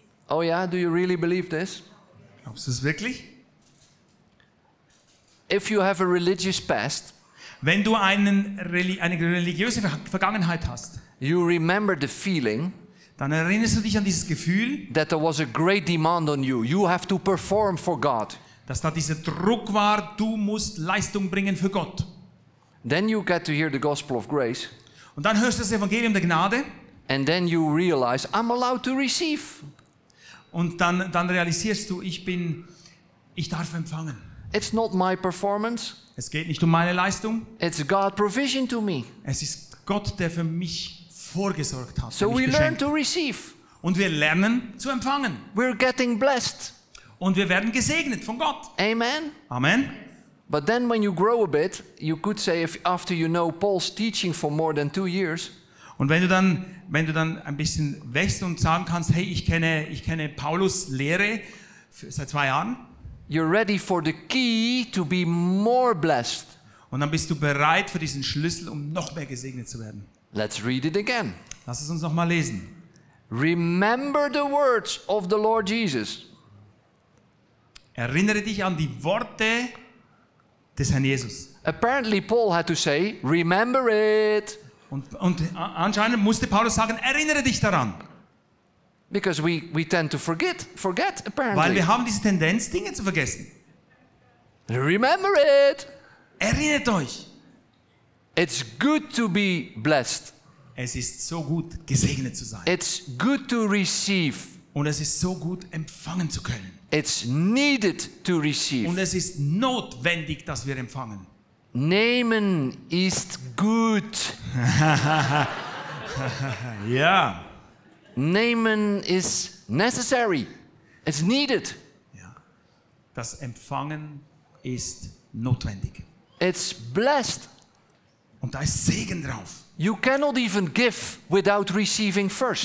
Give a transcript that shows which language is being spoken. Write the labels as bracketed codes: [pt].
[en] Oh yeah, do you really believe this? [de] Glaubst du es wirklich? [en] If you have a religious past, [de] wenn du eine religiöse Vergangenheit hast, [en] you remember the feeling, [de] dann erinnerst du dich an dieses Gefühl, [en] that there was a great demand on you. You have to perform for God. [de] Dass da dieser Druck war, du musst Leistung bringen für Gott. [en] Then you get to hear the gospel of grace. [de] Und dann hörst du das Evangelium der Gnade. [en] And then you realize I'm allowed to receive. [de] Und dann realisierst du, ich darf empfangen. [en] It's not my performance. [de] Es geht nicht um meine Leistung. [en] It's God's provision to me. [de] Es ist Gott, der für mich vorgesorgt hat. [en] So we learn to receive. [de] Und wir lernen zu empfangen. [en] We're getting blessed. [de] Und wir werden gesegnet von Gott. Amen. Amen. [en] But then when you grow a bit, you could say if after you know Paul's teaching for more than 2 years. [de] Und wenn du dann ein bisschen wächst und sagen kannst, hey, ich kenne Paulus Lehre seit 2 Jahren. [en] You're ready for the key to be more blessed. [de] Und dann bist du bereit für diesen Schlüssel, um noch mehr gesegnet zu werden. [en] Let's read it again. [de] Lass es uns noch mal lesen. [en] Remember the words of the Lord Jesus. [de] Erinnere dich an die Worte des Herrn Jesus. [en] Apparently Paul had to say, remember it. [de] Und anscheinend musste Paulus sagen, erinnere dich daran. [en] Because we tend to forget apparently. [de] Weil wir haben diese Tendenz, Dinge zu vergessen. [en] Remember it. [de] Erinnert euch. [en] It's good to be blessed. [de] Es ist so gut, gesegnet zu sein. [en] It's good to receive. [de] Und es ist so gut, empfangen zu können. [en] It's needed to receive. [de] Und es ist notwendig, dass wir empfangen. Nehmen ist gut. Ja. Nehmen ist [en] necessary. It's needed. [de] Ja. Das Empfangen ist notwendig. [en] It's blessed. [de] Und da ist Segen drauf. [en] You cannot even give without receiving first.